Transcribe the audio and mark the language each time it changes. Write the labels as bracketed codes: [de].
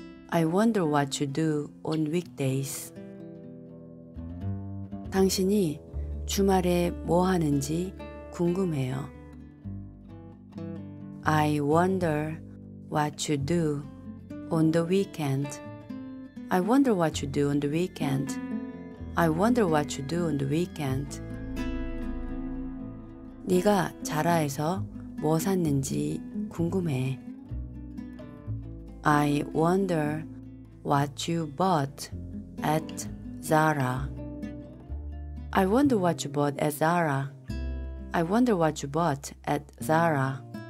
[en] I wonder what you do on weekdays. [ko] 당신이 주말에 뭐 하는지 궁금해요. [en] I wonder what you do on the weekend. I wonder what you do on the weekend. I wonder what you do on the weekend. [ko] 네가 자라에서 뭐 샀는지 궁금해. [en] I wonder what you bought at Zara. I wonder what you bought at Zara. I wonder what you bought at Zara.